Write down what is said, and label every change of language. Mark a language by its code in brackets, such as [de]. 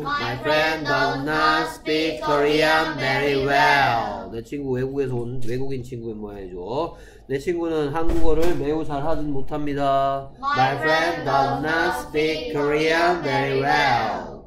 [en] My friend does not speak Korean very well. [ko] 내 친구 외국에서 온 외국인 친구의 모양이죠. 내 친구는 한국어를 매우 잘 하진 못합니다. [en] My friend does not speak Korean very well.